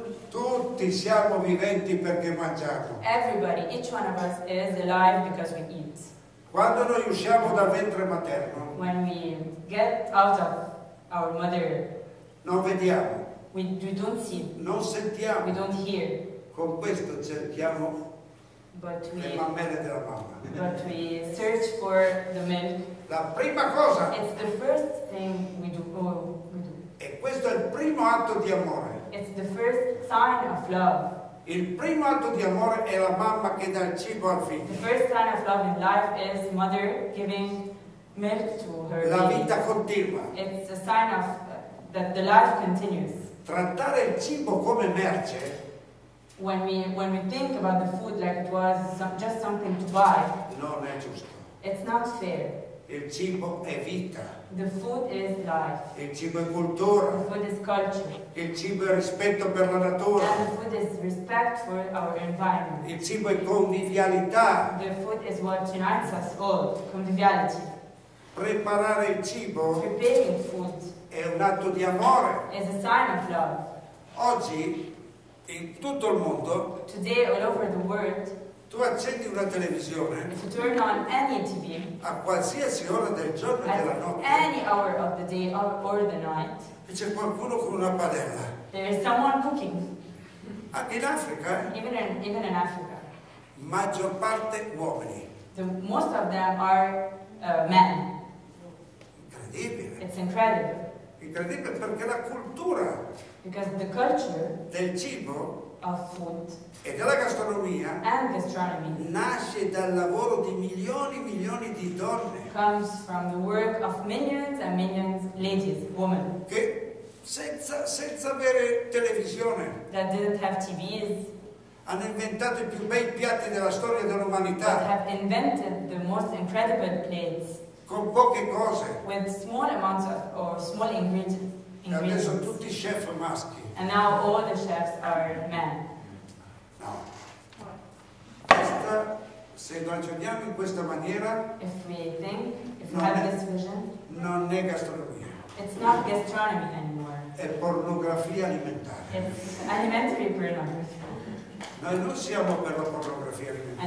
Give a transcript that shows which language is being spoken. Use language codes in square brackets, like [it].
[it] Tutti siamo viventi perché mangiamo. [en] Everybody, each one of us is alive because we eat. [it] Quando noi usciamo dal ventre materno, [en] when we get out of our mother, [it] non vediamo. [en] We don't see. [it] Non sentiamo. [en] We don't hear. [it] Con questo cerchiamo le mammelle della mamma. [en] But we search for the milk. [it] La prima cosa. [en] It's the first thing we do. Oh, we do. [it] E questo è il primo atto di amore. [en] It's the first sign of love. [it] Il primo atto di amore è la mamma che dà il cibo al figlio. [en] The first sign of love in life is mother giving milk to her. [it] La vita baby. Continua. [en] It's a sign of that the life continues. [it] Trattare il cibo come merce. [en] When we think about the food like it was just something to buy, [it] non è giusto. [en] It's not fair. [it] Il cibo è vita. [en] The food is life. [it] Il cibo è cultura. [en] The food is culture. [it] Il cibo è rispetto per la natura. [en] And the food is respect for our environment. [it] Il cibo è convivialità. [en] The food is what unites us all. Conviviality. [it] Preparare il cibo. [en] Preparing food. [it] È un atto di amore. [en] Is a sign of love. [it] Oggi. In tutto il mondo, [en] today, all over the world, [it] tu accendi una televisione, [en] if you turn on any TV, [it] a qualsiasi ora del giorno e della notte, [en] any hour of the day or the night, [it] e c'è qualcuno con una padella, [en] there is someone cooking. [it] In Africa, [en] even in Africa, [it] maggior parte uomini, [en] the most of them are men. [it] Incredibile. [en] It's incredible. [it] Incredibile perché la cultura. [en] Because the culture [it] del cibo [en] of food [it] e della gastronomia [en] and gastronomy [it] nasce dal lavoro di milioni e milioni di donne [en] comes from the work of millions and millions ladies, women [it] che senza avere televisione [en] that didn't have TVs [it] hanno inventato i più bei piatti della storia dell'umanità [en] but have invented the most incredible plates [it] con poche cose [en] with small amounts of or small ingredients. [it] E adesso tutti chef maschi. [en] And now all the chefs are men. [it] No. Questa, se lo accendiamo in questa maniera, [en] if we have this vision, [it] non è gastronomia. [en] It's not gastronomy anymore. [it] È pornografia alimentare. [en] It's alimentary pornography. [it] Noi non siamo per la pornografia alimentare.